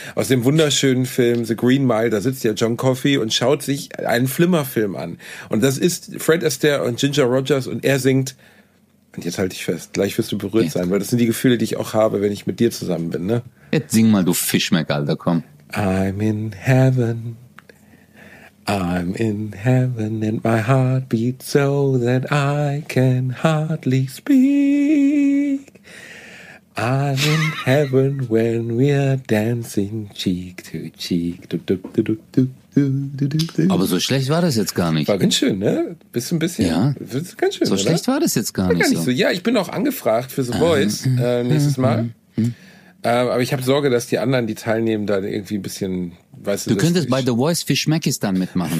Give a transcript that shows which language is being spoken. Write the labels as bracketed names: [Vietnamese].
[German] Aus dem wunderschönen Film The Green Mile, da sitzt ja John Coffey und schaut sich einen Flimmerfilm an. Und das ist Fred Astaire und Ginger Rogers und er singt, und jetzt halte ich fest, gleich wirst du berührt sein, weil das sind die Gefühle, die ich auch habe, wenn ich mit dir zusammen bin, ne? Jetzt sing mal, du Fischmeck, Alter, komm. [English] I'm in heaven and my heart beats so that I can hardly speak. I'm in heaven when we're dancing cheek to cheek. [German] Du, du, du, du, du. Aber so schlecht war das jetzt gar nicht. War ganz schön, ne? Bist du ein bisschen? Ja. Ganz schön, so oder? Schlecht war das jetzt gar nicht. Gar nicht so. So. Ja, ich bin auch angefragt für The Voice nächstes Mal. Aber ich habe Sorge, dass die anderen, die teilnehmen, dann irgendwie ein bisschen, weißt du. Du könntest bei The Voice für Schmeckistan mitmachen.